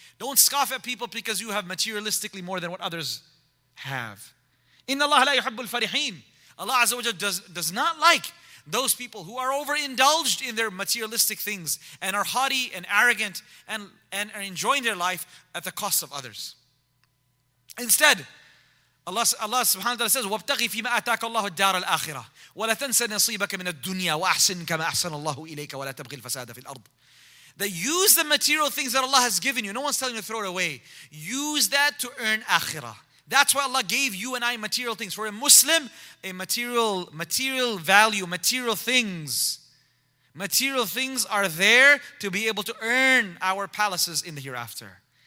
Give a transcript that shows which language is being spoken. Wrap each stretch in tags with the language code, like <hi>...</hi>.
<en>Don't scoff at people because you have materialistically more than what others have.</en> <ar>إِنَّ اللَّهَ لَا يُحِبُّ الْفَرِحِينَ.</ar> <en>Allah Azza wa Jalla does not like those people who are overindulged in their materialistic things and are haughty and arrogant and are enjoying their life at the cost of others. Instead, Allah subhanahu wa ta'ala says,</en> <ar>وَابْتَغِي فِي مَا أَتَاكَ اللَّهُ الدَّارَ الْآخِرَةِ وَلَا تَنْسَ نَصِيبَكَ مِنَ الدُّنْيَا وَأَحْسِنْ كَمَا أَحْسَنَ اللَّهُ إِلَيْكَ وَلَا تَبْغِي الْفَسَادَ فِي الْأَرْضِ.</ar> <en>That use the material things that Allah has given you. No one's telling you to throw it away. Use that to earn akhirah. That's why Allah gave you and I material things. For a Muslim, a material value, material things are there to be able to earn our palaces in the hereafter.</en>